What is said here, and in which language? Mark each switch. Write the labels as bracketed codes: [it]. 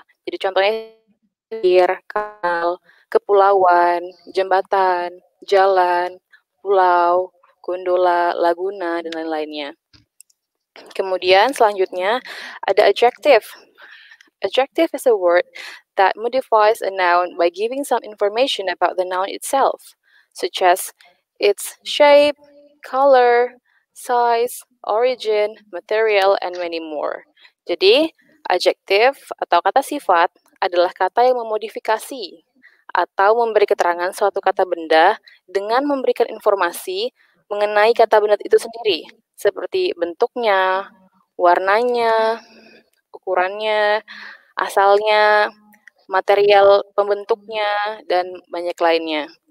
[id] Jadi contohnya air, kanal, kepulauan, jembatan, jalan, pulau, gondola, laguna, dan lain-lainnya. Kemudian selanjutnya ada adjective. [en] Adjective is a word that modifies a noun by giving some information about the noun itself, such as its shape, color, size, origin, material, and many more. [id] Jadi adjective atau kata sifat adalah kata yang memodifikasi atau memberi keterangan suatu kata benda dengan memberikan informasi mengenai kata benda itu sendiri, seperti bentuknya, warnanya, ukurannya, asalnya, material pembentuknya, dan banyak lainnya.